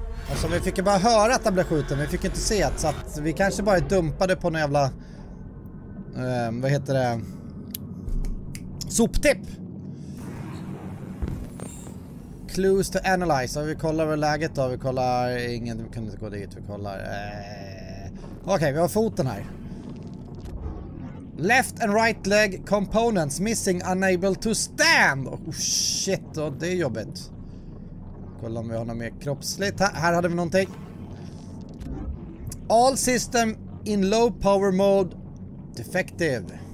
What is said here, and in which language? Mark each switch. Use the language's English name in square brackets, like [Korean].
[Swedish] Alltså vi fick ju bara höra att han blev skjuten, vi fick inte se att, så att vi kanske bara dumpade på en jävla vad heter det? Soptipp. [English] Clues to analyze. [Swedish] Så vi kollar väl läget då, vi kollar ingen, vi kunde inte gå dit, vi kollar okej, vi har foten här. [English] Left and right leg components missing, unable to stand. Oh shit, oh, [Swedish] det är jobbigt. Kolla om vi har något mer kroppsligt. Här hade vi någonting. [English] All system in low power mode defective.